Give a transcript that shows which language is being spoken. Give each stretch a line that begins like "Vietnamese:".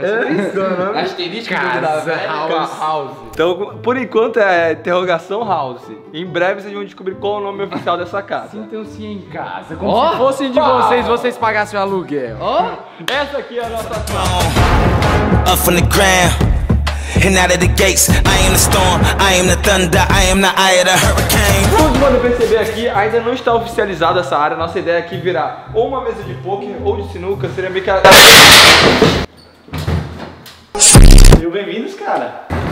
Portuguese: Interrogação. Asterisco House. Então, por enquanto é interrogação House. Em breve vocês vão descobrir qual é o nome oficial dessa casa. Sintam-se em casa. Como se fosse de vocês, vocês pagassem o aluguel. Essa aqui é a nossa sala.
English: Up from the ground and out of the gates, I am the storm, I am the thunder, I am the eye of the hurricane.
Portuguese: Como vocês podem perceber aqui, ainda não está oficializada essa área. Nossa ideia aqui virar ou uma mesa de poker ou de sinuca, seria meio que a... Sejam bem-vindos, cara.